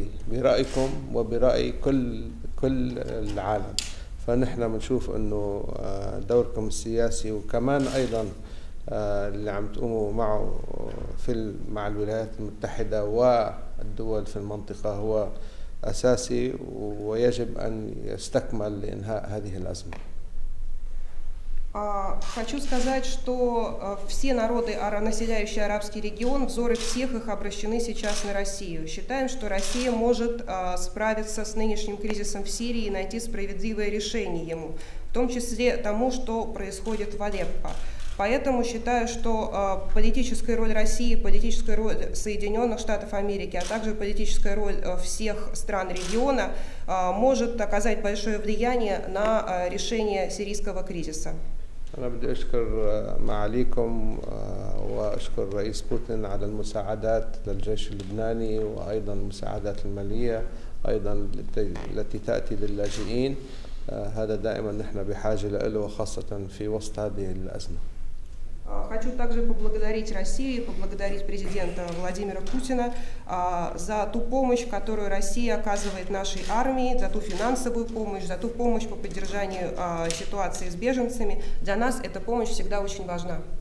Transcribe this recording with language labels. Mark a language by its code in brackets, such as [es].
[ar] برأيكم وبرأي كل العالم فنحن بنشوف إنه دوركم السياسي وكمان أيضا اللي عم تقوموا معه في مع الولايات المتحدة والدول في المنطقة هو أساسي ويجب أن يستكمل لإنهاء هذه الأزمة. [ru] Хочу сказать, что все народы, населяющие арабский регион, взоры всех их обращены сейчас на Россию. Считаем, что Россия может справиться с нынешним кризисом в Сирии и найти справедливое решение ему, в том числе тому, что происходит в Алеппо. Поэтому считаю, что политическая роль России, политическая роль Соединенных Штатов Америки, а также политическая роль всех стран региона может оказать большое влияние на решение сирийского кризиса. [ar] أنا بدي أشكر معاليكم وأشكر رئيس بوتين على المساعدات للجيش اللبناني وأيضا المساعدات المالية أيضا التي تأتي للاجئين هذا دائما نحن بحاجة له خاصة في وسط هذه الأزمة. [ru] Хочу также поблагодарить Россию и поблагодарить президента Владимира Путина за ту помощь, которую Россия оказывает нашей армии, за ту финансовую помощь, за ту помощь по поддержанию ситуации с беженцами. Для нас эта помощь всегда очень важна.